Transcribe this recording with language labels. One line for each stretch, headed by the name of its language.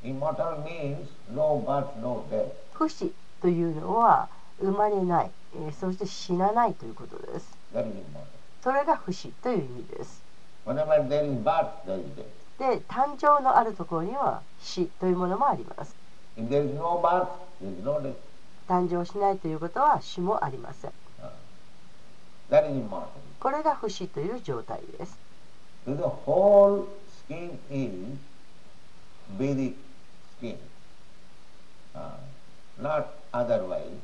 English: Immortal means no birth, no death.
Japanese: 不死というのは生まれない、そして死なないということです。
English: That is immortal.
Japanese: それが不死という意味です。
English: Whenever there is birth, there is death.
Japanese: で誕生のあるところには死というものもあります。
English: If there is no birth, there is no death.
Japanese: 誕生しないということは死もありません。
English: That is immortal.
Japanese: これが不死という状態です。
English: To the whole skin is Vedic skin, not otherwise.